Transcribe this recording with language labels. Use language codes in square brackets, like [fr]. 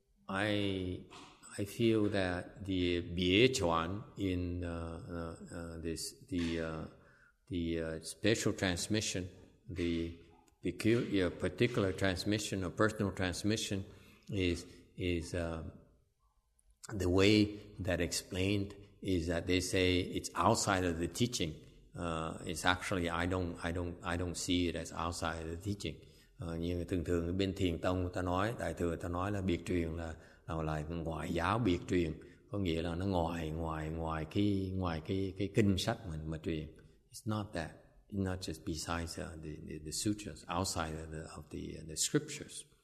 [en] I feel that the bie chuan in the special transmission, the peculiar particular transmission or personal transmission, is the way that explained is that they say it's outside of the teaching. It's actually I don't see it as outside of the teaching. [vi] Nhưng thường thường bên thiền tông ta nói, đại thừa ta nói là biệt truyền là ngoại giáo biệt truyền, có nghĩa là nó ngoài cái kinh sách mà truyền. [en] It's not that. It's not just besides the sutras, outside of the scriptures.